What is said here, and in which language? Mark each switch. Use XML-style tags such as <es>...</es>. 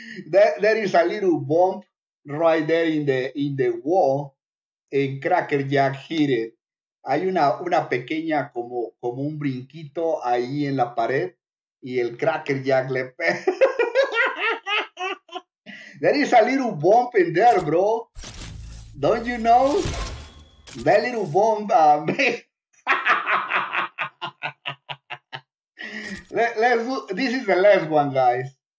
<en>there is a little bump right there in the wall. And Cracker Jack hit it.</en> <es>Hay una pequeña como un brinquito ahí en la pared. Y el Cracker Jack le pega.</es> <en>There is a little bump in there, bro. Don't you know? That little bump. let's do, this is the last one, guys.</en>